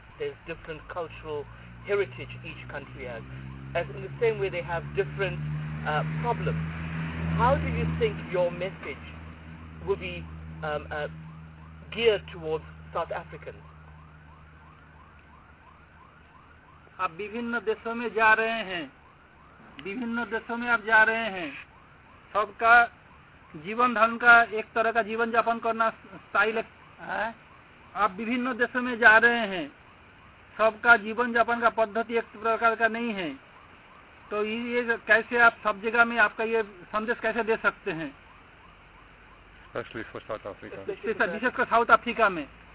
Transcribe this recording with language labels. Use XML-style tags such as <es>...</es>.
<en>There's different cultural heritage each country has. As in the same way, they have different problems. How do you think your message will be geared towards South Africans?</en> <hi>आप विभिन्न देशों में जा रहे हैं, विभिन्न देशों में आप जा रहे हैं, सबका जीवन ढंग का एक तरह का जीवन यापन करना स्टाइल है। आप विभिन्न देशों में जा रहे हैं, सबका जीवन यापन का पद्धति एक प्रकार का नहीं है, तो ये कैसे आप सब जगह में आपका ये संदेश कैसे दे सकते हैं?</hi> <en>Especially for South Africa. Especially for South Africa. South Africa में</en>